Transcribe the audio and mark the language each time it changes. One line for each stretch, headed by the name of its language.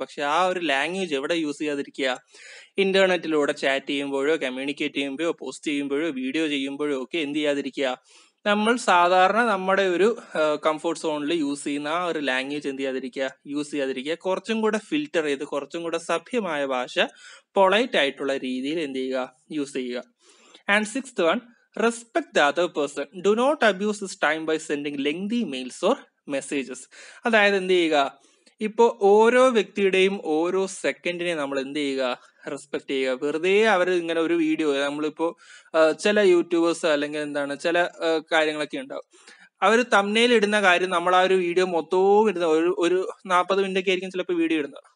Malayalam: പക്ഷെ ആ ഒരു ലാംഗ്വേജ് എവിടെ യൂസ് ചെയ്യാതിരിക്കുക, ഇന്റർനെറ്റിലൂടെ ചാറ്റ് ചെയ്യുമ്പോഴോ കമ്മ്യൂണിക്കേറ്റ് ചെയ്യുമ്പോഴോ പോസ്റ്റ് ചെയ്യുമ്പോഴോ വീഡിയോ ചെയ്യുമ്പോഴോ ഒക്കെ എന്ത് ചെയ്യാതിരിക്കുക, നമ്മൾ സാധാരണ നമ്മുടെ ഒരു കംഫോർട്ട് സോണിൽ യൂസ് ചെയ്യുന്ന ആ ഒരു ലാംഗ്വേജ് എന്ത് ചെയ്യാതിരിക്കുക, യൂസ് ചെയ്യാതിരിക്കുക. കുറച്ചും കൂടെ ഫിൽട്ടർ ചെയ്ത് കുറച്ചും കൂടെ സഭ്യമായ ഭാഷ പൊളൈറ്റ് ആയിട്ടുള്ള രീതിയിൽ എന്ത് ചെയ്യുക, യൂസ് ചെയ്യുക.
English: And sixth one, Respect the other person. Do not abuse his time by sending lengthy mails or messages.
Malayalam: അതായത് എന്ത് ചെയ്യുക, ഇപ്പോൾ ഓരോ വ്യക്തിയുടെയും ഓരോ സെക്കൻഡിനെ നമ്മൾ എന്ത് ചെയ്യുക, റെസ്പെക്ട് ചെയ്യുക. വെറുതെ അവർ ഇങ്ങനെ ഒരു വീഡിയോ, നമ്മളിപ്പോൾ ചില യൂട്യൂബേഴ്സ് അല്ലെങ്കിൽ എന്താണ് ചില കാര്യങ്ങളൊക്കെ ഉണ്ടാവും, അവർ തമ്മനയിൽ ഇടുന്ന കാര്യം നമ്മൾ ആ ഒരു വീഡിയോ മൊത്തവും ഇടുന്ന ഒരു ഒരു 40 മിനിറ്റൊക്കെ ആയിരിക്കും ചിലപ്പോൾ വീഡിയോ ഇടുന്നത്.